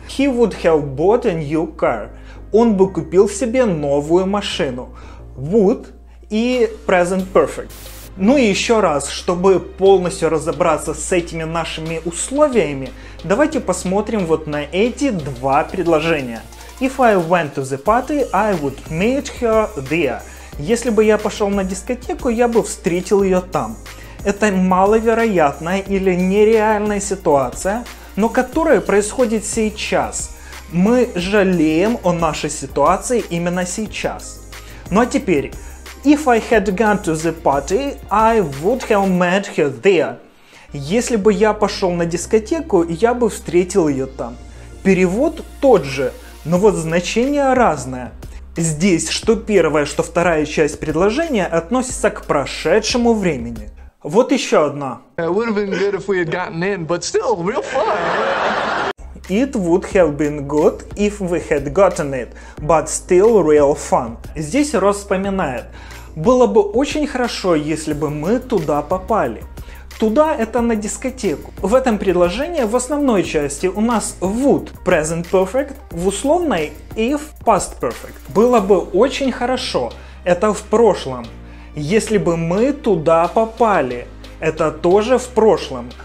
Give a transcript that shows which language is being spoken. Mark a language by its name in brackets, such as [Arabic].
[English] He would have bought a new car. [Russian] Он бы купил себе новую машину. Would и present perfect. Ну и еще раз, чтобы полностью разобраться с этими нашими условиями, давайте посмотрим вот на эти два предложения. [English] If I went to the party, I would meet her there. [Russian] Если бы я пошел на дискотеку, я бы встретил ее там. Это маловероятная или нереальная ситуация, но которая происходит сейчас. Мы жалеем о нашей ситуации именно сейчас. Ну а теперь, [English] if I had gone to the party, I would have met her there. [Russian] Если бы я пошел на дискотеку, я бы встретил ее там. Перевод тот же. Но вот значение разное. Здесь что первая, что вторая часть предложения относится к прошедшему времени. Вот еще одна. [English] It would have been good if we had gotten in, but still, real fun. It would have been good if we had gotten it, but still real fun. [Russian] Здесь Рос вспоминает. Было бы очень хорошо, если бы мы туда попали. Туда это на дискотеку. В этом предложении в основной части у нас would present perfect, в условной if past perfect. Было бы очень хорошо, это в прошлом. Если бы мы туда попали, это тоже в прошлом.